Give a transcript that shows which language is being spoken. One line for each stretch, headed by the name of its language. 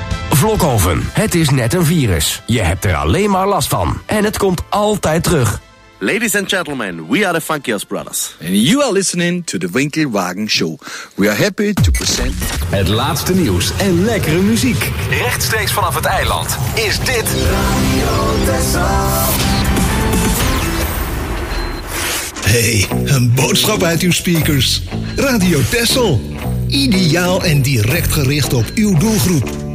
Dutch: Vlokhoven, het is net een virus. Je hebt er alleen maar last van. En het komt altijd terug.
English: Ladies and gentlemen, we are the Funkiest Brothers. And you are listening to the Winkelwagen Show. We are happy to present...
Dutch: Het laatste nieuws en lekkere muziek. Rechtstreeks vanaf het eiland is dit... Hey, een boodschap uit uw speakers. Radio Texel. Ideaal en direct gericht op uw doelgroep.